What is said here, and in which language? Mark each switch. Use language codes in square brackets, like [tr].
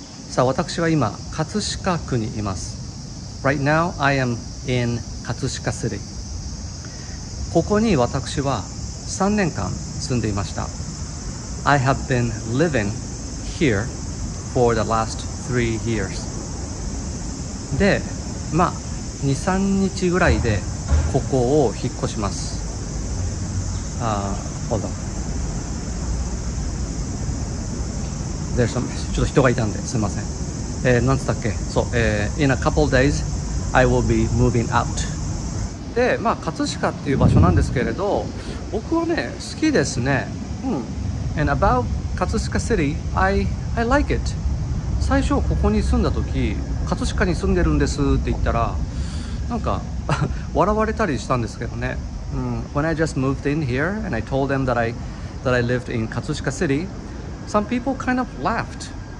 [ja] さあ、私は今葛飾区にいます。 [en] Right now I am in 葛飾 City。 [ja] ここに私は3年間住んでいました。 [en] I have been living here for the last 3 years。 [ja] で、まあ2、3日ぐらいでここを引っ越します。 [en] There's some, [ja] ちょっと人がいたんですいません。なんつったっけ、そう、 [en] In a couple days I will be moving out。 [ja] で、まあ葛飾っていう場所なんですけれど、僕はね好きですね。 [en] And about 葛飾 City I like it。 [ja] 最初ここに住んだ時、葛飾に住んでるんですって言ったら、なんか笑われたりしたんですけどね。 [en] When I just moved in here and I told them that I lived in 葛飾 City、Some people kind of laughed。